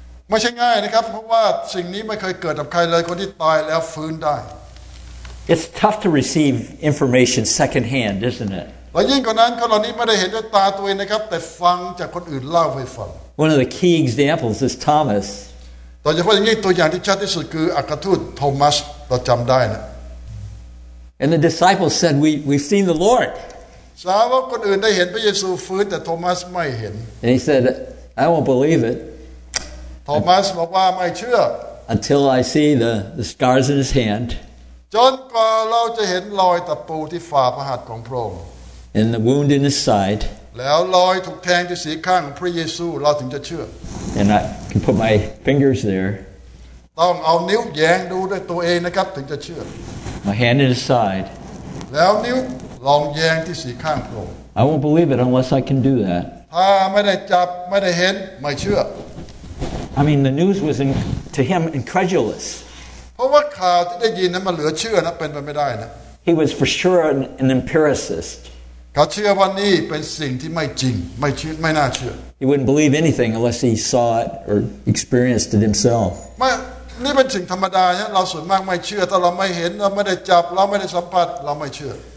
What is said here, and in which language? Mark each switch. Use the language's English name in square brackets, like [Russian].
[Thai] ไม่ใช่ง่ายนะครับเพราะว่าสิ่งนี้ไม่เคยเกิดกับใครเลยคนที่ตายแล้วฟื้นได้ [English] It's tough to receive information secondhand, isn't it? [Thai] แล้วยิ่งกว่านั้นคนเรานี้ไม่ได้เห็นด้วยตาตัวเองนะครับแต่ฟังจากคนอื่นเล่าให้ฟัง [English] One of the key examples is Thomas. [Thai] โดยเฉพาะอย่างยิ่งตัวอย่างที่ชัดที่สุดคืออัครทูตโทมัสเราจำได้นะ [English] And the disciples said, "We've seen the Lord." [Thai] สาวกคนอื่นได้เห็นพระเยซูฟื้นแต่โทมัสไม่เห็น [English] And he said, "I won't believe it." [Thai] โทมัสบอกว่าไม่เชื่อ [English] Until I see the scars in his hand. [Thai] จนกว่าเราจะเห็นรอยตะปูที่ฝ่าพระหัตถ์ของพระองค์ [English] And the wound in his side [Thai] แล้วรอยถูกแทงที่ศีรษะของพระเยซูเราถึงจะเชื่อ [English] And I can put my fingers there [Thai] ต้องเอานิ้วแยงดูด้วยตัวเองนะครับถึงจะเชื่อ [English] My hand is inside [Thai] แล้วนิ้วลองแยงที่สีข้างโปร่ง [English] I won't believe it unless I can do that [Thai] ถ้าไม่ได้จับไม่ได้เห็นไม่เชื่อ [English] I mean the news was to him incredulous [Thai] เพราะว่าข่าวที่ได้ยินนั้นมันเหลือเชื่อนะเป็นไปไม่ได้นะ [English] He was for sure an empiricist [Thai] เขาเชื่อว่านี่เป็นสิ่งที่ไม่จริงไม่เชื่อไม่น่าเชื่อ [English] He wouldn't believe anything unless he saw it or experienced it himself [Thai] ไม่นี่เป็นสิ่งธรรมดาเนี่ยเราส่วนมากไม่เชื่อถ้าเราไม่เห็นเราไม่ได้จับเราไม่ได้สัมผัสเราไม่เชื่อ